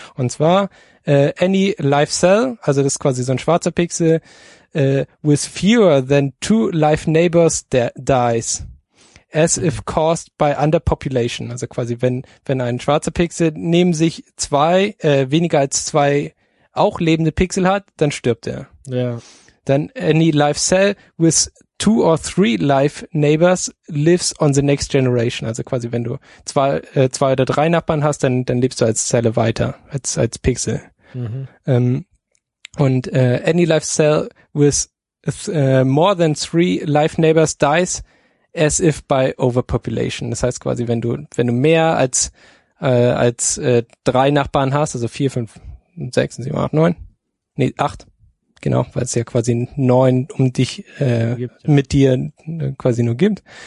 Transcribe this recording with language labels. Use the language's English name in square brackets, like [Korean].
[German] Und zwar [English] any life cell, [German] also das ist quasi so ein schwarzer Pixel, [English] with fewer than two life neighbors dies. As if caused by underpopulation, [German] also quasi wenn ein schwarzer Pixel neben sich zwei weniger als zwei auch lebende Pixel hat, dann stirbt er. Ja. [English] Then any live cell with two or three live neighbors lives on the next generation. [German] Also quasi, wenn du zwei oder drei Nachbarn hast, dann lebst du als Zelle weiter, als Pixel. Mhm. Und [English] any live cell with more than three live neighbors dies as if by overpopulation. [German] Das heißt quasi, wenn du mehr als drei Nachbarn hast, also 4, 5, 6, 7, 8, 9, 8, genau, weil es ja quasi 9 um dich mit dir quasi nur gibt.